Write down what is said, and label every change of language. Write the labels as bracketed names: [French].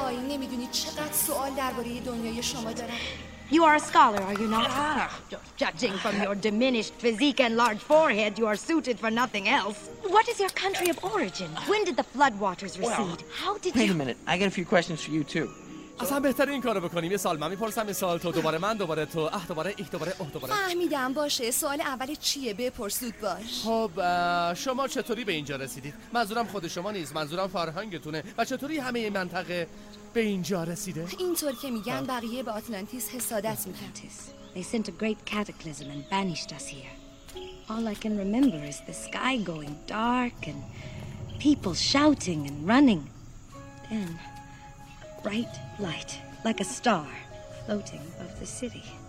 [Persian] نمیدونی چقدر سوال درباره دنیای شما دارم. [English] You are a scholar, are you not? Judging from your diminished physique and large forehead, you are suited for nothing else. What is your country of origin? When did the floodwaters recede? How did you... Wait a minute, I got a few questions for you too. [Persian] اصلا بهتر این کارو بکنیم. یه سال من میپرسم، یه سال تو، دوباره من، دوباره تو، اه دوباره ایه دوباره اه دوباره. فهمیدم، باشه. سوال اول چیه؟ بپرس، زود باش. خب شما چطوری به اینجا رسیدید؟ منظورم خود شما نیست، منظورم فرهنگتونه و چطوری همه این منطقه به اینجا رسیده. اینطور که میگن بقیه به آتلانتیس حسادت میکنند. [English] They sent a great cataclysm and banished us here. All I can remember is the sky going dark and people shouting and running. Then bright light, like a star, floating above the city.